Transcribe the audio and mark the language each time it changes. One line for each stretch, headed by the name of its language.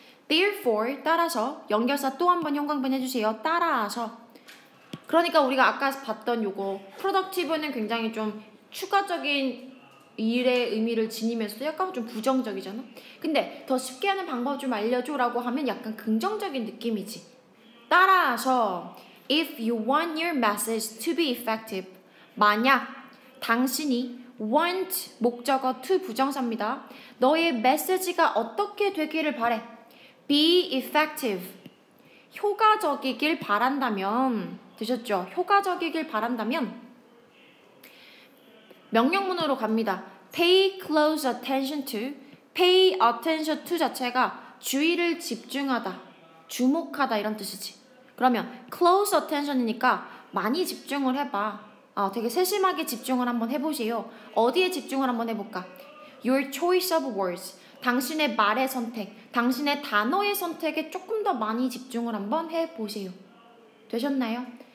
Korean: Therefore, 따라서 연결사 또 한 번 형광펜 해주세요. 따라서. 그러니까 우리가 아까 봤던 요거 productive는 굉장히 좀 추가적인 일의 의미를 지니면서 약간 좀 부정적이잖아. 근데 더 쉽게 하는 방법 좀 알려줘 라고 하면 약간 긍정적인 느낌이지. 따라서.
English: If you want your message to be effective,
Korean: 만약 당신이
English: want,
Korean: 목적어
English: to
Korean: 부정사입니다. 너의 메시지가 어떻게 되기를 바래?
English: Be effective,
Korean: 효과적이길 바란다면, 되셨죠? 효과적이길 바란다면 명령문으로 갑니다.
English: Pay close attention to, pay attention to
Korean: 자체가 주의를 집중하다, 주목하다 이런 뜻이지. 그러면 close attention이니까 많이 집중을 해봐. 되게 세심하게 집중을 한번 해보세요. 어디에 집중을 한번 해볼까?
English: Your choice of words,
Korean: 당신의 말의 선택, 당신의 단어의 선택에 조금 더 많이 집중을 한번 해보세요. 되셨나요?